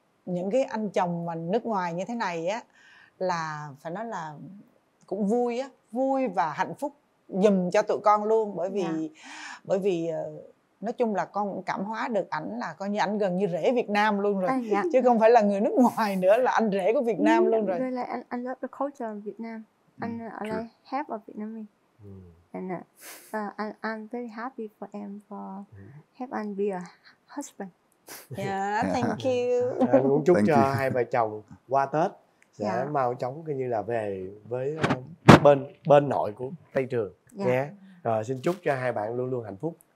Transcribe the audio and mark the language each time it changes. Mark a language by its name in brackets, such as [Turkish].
[Vietnamese] những cái anh chồng mà nước ngoài như thế này á, là phải nói là cũng vui á, vui và hạnh phúc giùm cho tụi con luôn, bởi vì bởi vì nói chung là con cũng cảm hóa được ảnh là coi như ảnh gần như rể Việt Nam luôn rồi, chứ không phải là người nước ngoài nữa, là anh rể của Việt Nam luôn rồi. [English] Like, I love the culture of Vietnam. And I like half of Vietnamese. And I'm very happy for em for help and be a husband. Yeah, thank you. [Vietnamese] Em cũng chúc cho hai vợ chồng qua Tết sẽ mau chóng coi như là về với bên bên nội của Tây Trường nhé. Rồi xin chúc cho hai bạn luôn luôn hạnh phúc.